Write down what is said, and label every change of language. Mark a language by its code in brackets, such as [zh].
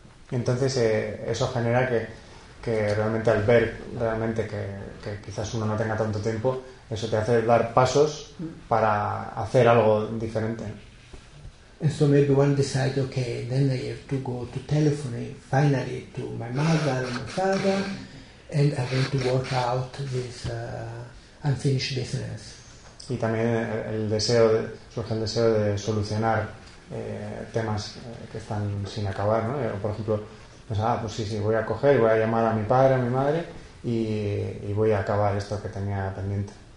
[es] Entonces eso genera que realmente al ver realmente que quizás uno no tenga tanto tiempo, eso te hace dar pasos para hacer algo diferente. [en] And so maybe one decides, okay, then I have to go to telephone finally to my mother and my father, and I'm going to work out this unfinished business. [es] Y también surge el deseo de solucionar temas que están sin acabar, ¿no? Por ejemplo, voy a coger, voy a llamar a mi padre, a mi madre, y voy a acabar esto que tenía pendiente.